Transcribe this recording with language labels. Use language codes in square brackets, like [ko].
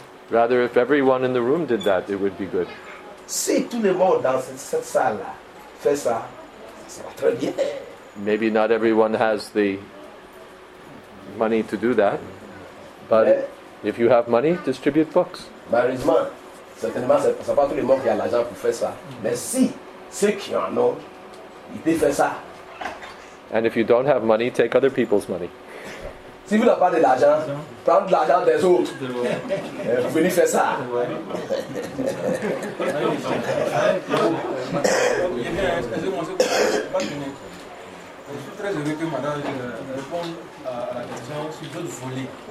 [en] Rather, if everyone in the room did that, it would be good. [fr] Si tout le monde dans cette salle-là fait ça, ça va très bien. [en] Maybe not everyone has the money to do that, but mais, if you have money, distribute books. [fr] Malheureusement, certainement, c'est pas tout le monde qui a l'argent pour faire ça. Mais si ceux qui en ont, ils peuvent faire ça. [en] And if you don't have money, take other people's money. [fr] Si vous n'avez pas de l'argent, prenez de l'argent des autres. Vous venez faire ça. Je suis très heureux que madame réponde à la question sur d'autres volets.